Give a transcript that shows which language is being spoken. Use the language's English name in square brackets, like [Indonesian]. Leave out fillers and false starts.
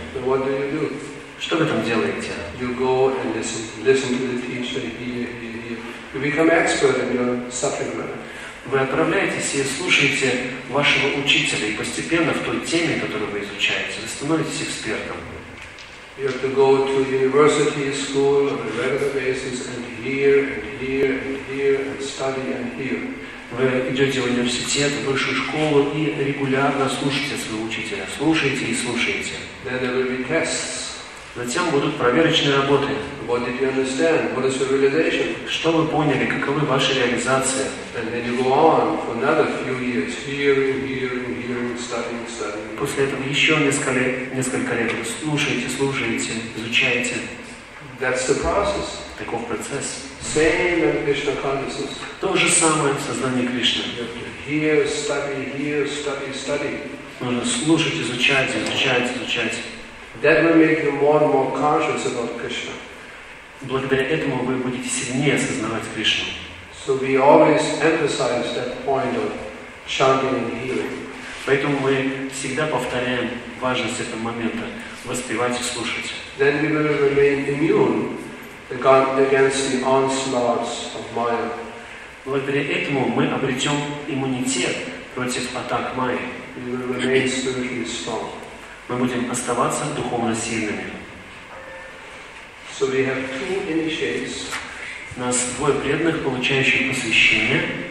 [English] So what do you do? [Russian] Что вы там делаете? [English] You go and listen to the teacher here. You become expert in your subject matter. [Russian] Вы отправляетесь и слушаете вашего учителя, и постепенно в той теме, которую вы изучаете, вы становитесь экспертом. [English] You have to go to university, school, on a regular basis, and hear, and hear, and hear, and study, and hear. [Russian] Вы идете в университет, в высшую школу, и регулярно слушаете своего учителя. Слушаете и слушаете. [English] Then there will be tests. [Russian] Затем будут проверочные работы. [English] What did you understand? What is your realization? [Russian] Что вы поняли? Каковы ваши реализации? [English] And then you go on for another few years, hearing, hearing, hearing, studying, studying. [Russian] После этого еще несколько лет вы слушаете, слушаете, изучаете. [English] That's the process. [Russian] Таков процесс. [English] Same in Krishna consciousness. [Russian] То же самое в сознании Кришны. [English] Hear, study, hear, study, study. [Russian] Нужно слушать, изучать, изучать, изучать. [English] That will make you more and more conscious about Krishna. [Russian] Благодаря этому вы будете сильнее осознавать Кришну. [English] So we always emphasize that point of chanting and hearing. [Russian] Поэтому мы всегда повторяем важность этого момента воспевать и слушать. [English] Then we will remain immune against the onslaughts of Maya. [Russian] Благодаря этому мы обретем иммунитет против атак Майи. [English] We will remain spiritually strong. [Russian] Мы будем оставаться духовно сильными. [English] So we have two initiates. [Russian] У нас двое преданных, получающих посвящение.